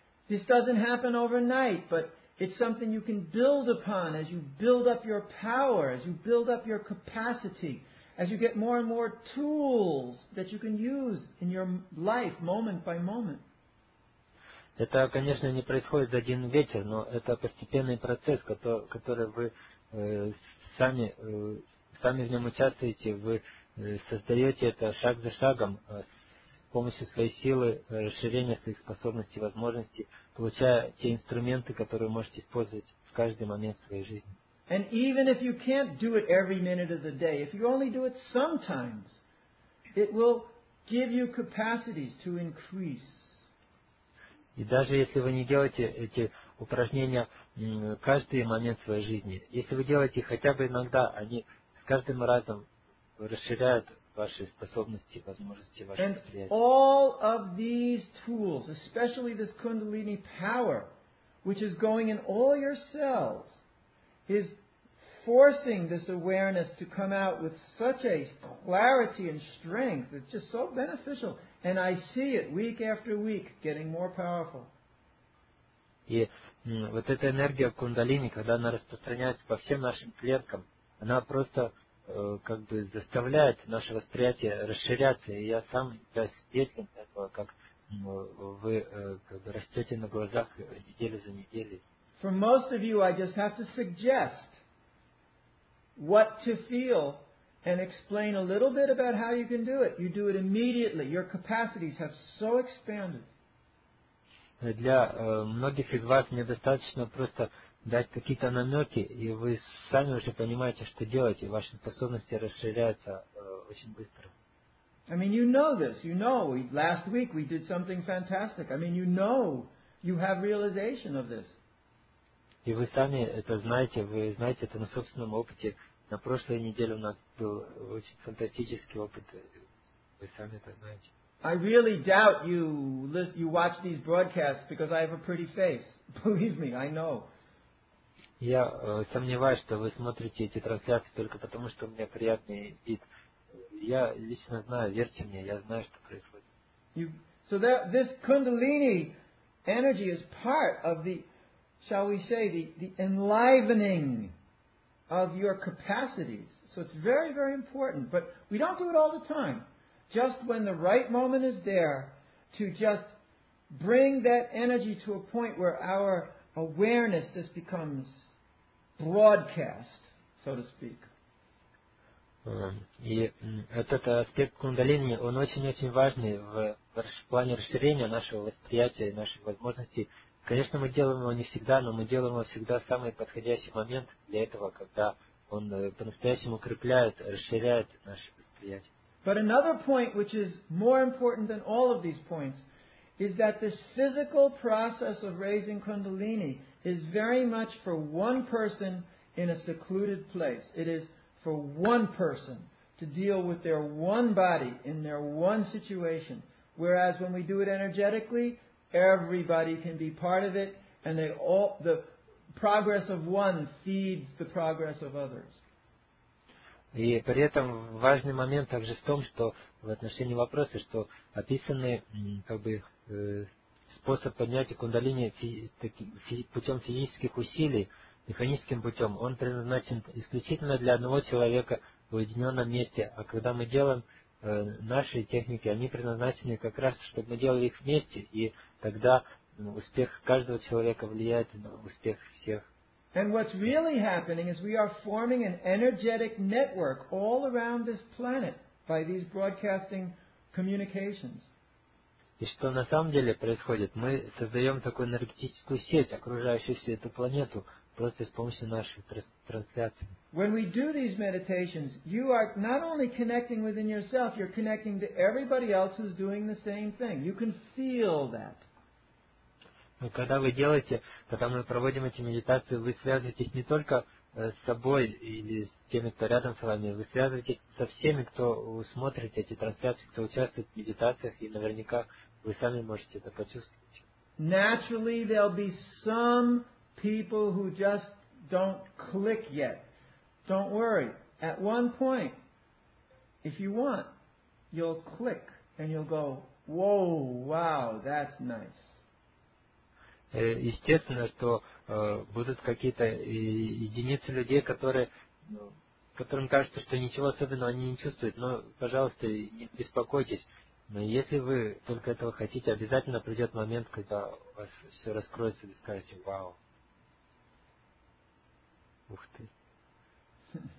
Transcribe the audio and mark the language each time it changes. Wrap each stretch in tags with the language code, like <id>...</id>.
<en>This doesn't happen overnight, but it's something you can build upon as you build up your power, as you build up your capacity, as you get more and more tools that you can use in your life moment by moment.</en> <ru>Это, конечно, не происходит за один вечер, но это постепенный процесс, который вы сами в нем участвуете, вы создаете это шаг за шагом. С помощью своей силы, расширения своих способностей, возможностей, получая те инструменты, которые можете использовать в каждый момент своей жизни.</ru> <en>And even if you can't do it every minute of the day, if you only do it sometimes, it will give you capacities to increase.</en> <ru>И даже если вы не делаете эти упражнения каждый момент своей жизни, если вы делаете их хотя бы иногда, они с каждым разом расширяют ваши способности, возможности, ваши восприятия.</ru> <en>All of these tools, especially this kundalini power, which is going in all your cells, is forcing this awareness to come out with such a clarity and strength. It's just so beneficial. And I see it week after week getting more powerful.</en> <ru>И вот эта энергия кундалини, когда она распространяется по всем нашим клеткам, она просто как бы заставляет наше восприятие расширяться, и я сам свидетелем этого, как вы как бы растете на глазах неделю за неделей.</ru> <en>For most of you, I just have to suggest what to feel and explain a little bit about how you can do it. You do it immediately. Your capacities have so expanded.</en> <ru>Для многих из вас мне достаточно просто дать какие-то намеки, и вы сами уже понимаете, что делаете. Ваши способности расширяются очень быстро.</ru> <en>I mean, you know this. You know, last week we did something fantastic. I mean, you know, you have realization of this.</en> <ru>И вы сами это знаете. Вы знаете это на собственном опыте. На прошлой неделе у нас был очень фантастический опыт. Вы сами это знаете.</ru> <en>I really doubt you watch these broadcasts because I have a pretty face. Believe me, I know.</en> <ru>Я сомневаюсь, что вы смотрите эти трансляции только потому, что у меня приятный вид. Я лично знаю, верьте мне, я знаю, что происходит.</ru> <en>This kundalini energy is part of the, shall we say, the enlivening of your capacities. So it's very, very important. But we don't do it all the time. Just when the right moment is there to just bring that energy to a point where our awareness just becomes broadcast, so to speak.</en> <ru>И этот аспект кундалини, он очень-очень важный в плане расширения нашего восприятия и наших возможностей, Конечно, мы делаем его не всегда, но мы делаем его всегда в самый подходящий момент для этого, когда он по-настоящему укрепляет, расширяет наше восприятие.</ru> <en>But another point, which is more important than all of these points, is that this physical process of raising kundalini is very much for one person in a secluded place. It is for one person to deal with their one body in their one situation. Whereas when we do it energetically, everybody can be part of it, and they all, the progress of one feeds the progress of others.</en> <ru>И при этом важный момент также в том, что в отношении вопроса, что описанный как бы способ поднятия кундалини путем физических усилий, механическим путем, он предназначен исключительно для одного человека в уединенном месте, а когда мы делаем наши техники, они предназначены как раз, чтобы мы делали их вместе, и тогда успех каждого человека влияет на успех всех.</ru> <en>And what's really happening is we are forming an energetic network all around this planet by these broadcasting communications.</en> <ru>И что на самом деле происходит? Мы создаем такую энергетическую сеть, окружающую всю эту планету, просто с помощью наших трансляций.</ru> <en>When we do these meditations, you are not only connecting within yourself, you're connecting to everybody else who's doing the same thing. You can feel that.</en> <ru>Когда вы делаете, когда мы проводим эти медитации, вы связываетесь не только с собой или с теми, кто рядом с вами, вы связываетесь со всеми, кто смотрит эти трансляции, кто участвует в медитациях, и наверняка вы сами можете это почувствовать.</ru> <en>Naturally, there'll be some people who just don't click yet. Don't worry. At one point, if you want, you'll click and you'll go, whoa, wow, that's nice.</en> <ru>Естественно, что будут какие-то единицы людей, которые, которым кажется, что ничего особенного они не чувствуют, но, пожалуйста, не беспокойтесь. Но если вы только этого хотите, обязательно придет момент, когда у вас все раскроется, и вы скажете, вау, ух ты.</ru>